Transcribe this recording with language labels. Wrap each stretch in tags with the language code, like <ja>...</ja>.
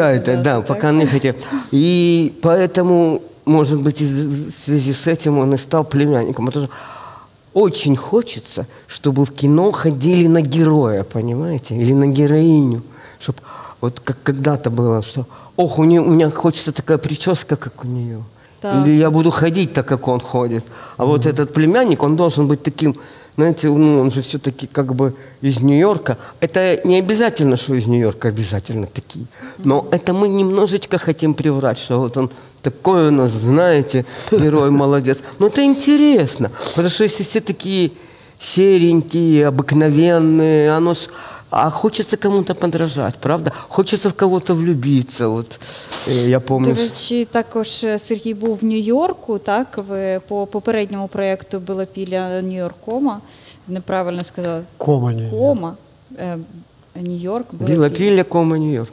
<uk>Тайна, так, да, поки не хотів. І тому, може бути, в зв'язку з цим він і став племянником. Тому що дуже хочеться, щоб в кіно ходили на героя, розумієте? Або на героїню. Щоб, от як коли-то було, що «Ох, у мене хочеться така прическа, як у неї». Так. Я буду ходить так, як він ходить.</uk> <ru>А от этот племянник, он должен быть таким, знаєте, ну, он же все-таки как бы из Нью-Йорка. Это не обязательно, что из Нью-Йорка обязательно такие. Но это мы немножечко хотим приврать, что вот он такой у нас, знаете, герой молодец. Но это интересно. Потому что если все такие серенькие, обыкновенные, оно ж А хочется кому-то подражать, правда? Хочется в кого-то влюбиться, вот, я помню.</ru> <uk>До речі, також Сергій був в Нью-Йорку, так? Ви по попередньому проєкту були біля Нью-Йоркома, неправильно сказала. Кома. Нью-Йорк. Білопілля, кома, Нью-Йорк.</uk>